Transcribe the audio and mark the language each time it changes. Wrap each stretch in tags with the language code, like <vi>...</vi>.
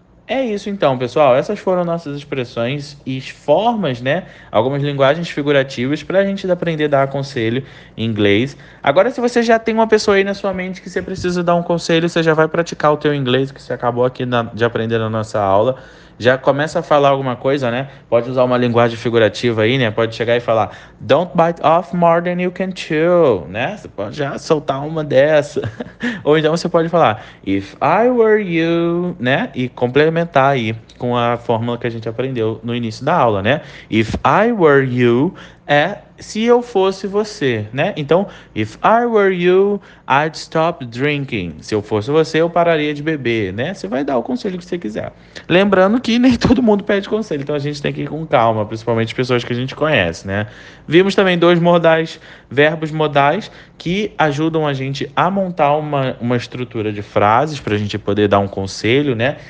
<pt>É isso então, pessoal. Essas foram nossas expressões e formas, né? Algumas linguagens figurativas para a gente aprender a dar conselho em inglês. Agora, se você já tem uma pessoa aí na sua mente que você precisa dar um conselho, você já vai praticar o teu inglês que você acabou aqui de aprender na nossa aula. Já começa a falar alguma coisa, né? Pode usar uma linguagem figurativa aí, né? Pode chegar e falar,</pt> <en>don't bite off more than you can chew, né?</en> <pt>Você pode já soltar uma dessa. Ou então você pode falar,</pt> <en>if I were you,</en> <pt>né? E complementar aí com a fórmula que a gente aprendeu no início da aula, né?</pt> <en>If I were you</en> <pt>é se eu fosse você, né?</pt> <en>Então, if I were you, I'd stop drinking.</en> <pt>Se eu fosse você, eu pararia de beber, né? Você vai dar o conselho que você quiser. Lembrando que nem todo mundo pede conselho, então a gente tem que ir com calma, principalmente pessoas que a gente conhece, né? Vimos também dois modais, verbos modais, que ajudam a gente a montar uma estrutura de frases para a gente poder dar um conselho, né?</pt>